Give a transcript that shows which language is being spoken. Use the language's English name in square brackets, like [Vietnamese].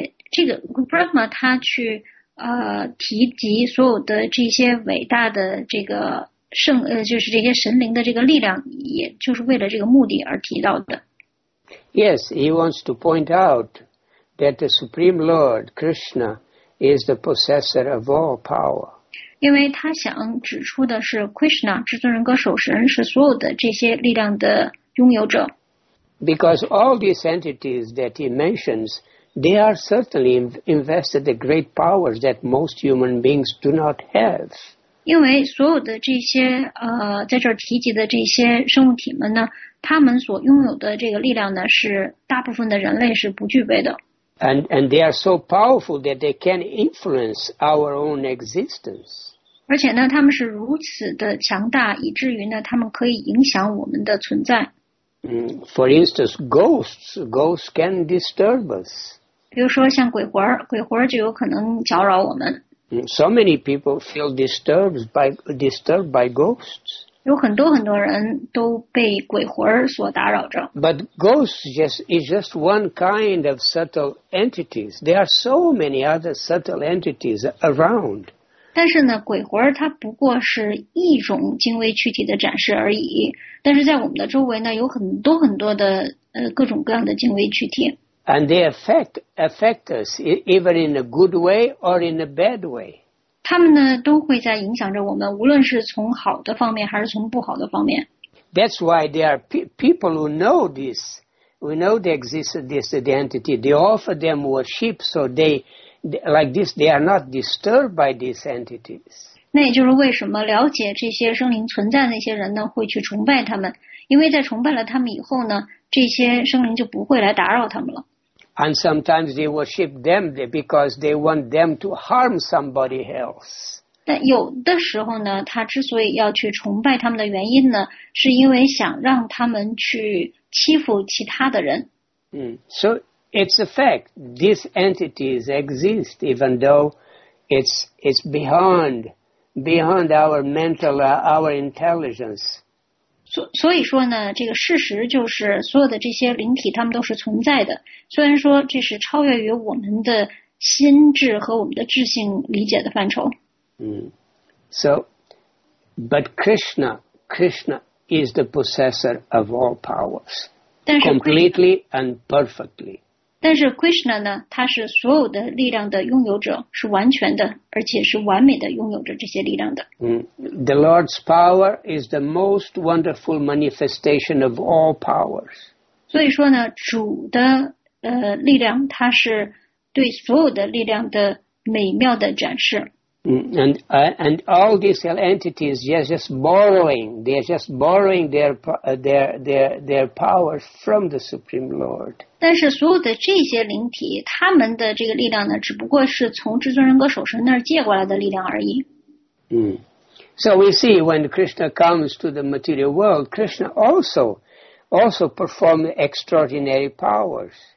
[Chinese] 这个 Brahma 他去提及所有的这些伟大的这个圣就是这些神灵的这个力量，也就是为了这个目的而提到的。 [English] Yes, he wants to point out that the Supreme Lord Krishna is the possessor of all power. [Chinese] 因为他想指出的是 ，Krishna 至尊人格守神是所有的这些力量的拥有者。 [English] Because all these entities that he mentions. They are certainly invested the great powers that most human beings do not have. [Chinese] 因为所有的这些在这儿提及的这些生物体们呢，他们所拥有的这个力量呢，是大部分的人类是不具备的。 [English] And they are so powerful that they can influence our own existence. [Chinese] 而且呢，他们是如此的强大，以至于呢，他们可以影响我们的存在。 [English] For instance, ghosts can disturb us. [Chinese] 比如说像鬼魂就有可能搅扰我们。 [English] So many people feel disturbed by ghosts. [Chinese] 有很多很多人都被鬼魂所打扰着。 [English] But ghosts is just one kind of subtle entities. There are so many other subtle entities around. [Chinese] 但是呢，鬼魂它不过是一种精微躯体的展示而已。但是在我们的周围呢，有很多很多的各种各样的精微躯体。 [English] And they affect us either in a good way or in a bad way. [Chinese] 他们呢都会在影响着我们，无论是从好的方面还是从不好的方面。 [English] That's why there are people who know this, who know the existence of this entity. They offer them worship, so they like this. They are not disturbed by these entities. [Chinese] 那也就是为什么了解这些生灵存在的那些人呢会去崇拜他们，因为在崇拜了他们以后呢，这些生灵就不会来打扰他们了。 [English] And sometimes they worship them because they want them to harm somebody else. [Chinese] 但有的时候呢，他之所以要去崇拜他们的原因呢，是因为想让他们去欺负其他的人。 [English] So it's a fact. These entities exist even though it's beyond our mental, our intelligence. [Chinese] 所以说呢，这个事实就是所有的这些灵体他们都是存在的，虽然说这是超越于我们的心智和我们的智性理解的范畴。 [English] But Krishna is the possessor of all powers. Completely and perfectly. [Chinese] 但是 Krishna 呢，他是所有的力量的拥有者，是完全的，而且是完美的拥有着这些力量的。 [English] The Lord's power is the most wonderful manifestation of all powers. [Chinese] 所以说呢，主的力量，它是对所有的力量的美妙的展示。 [English] And all these entities, they're just borrowing. They're just borrowing their power from the Supreme Lord. [Chinese] 但是所有的这些灵体，他们的这个力量呢，只不过是从至尊人格手上那儿借过来的力量而已。 [English] So we see when Krishna comes to the material world, Krishna also performs extraordinary powers.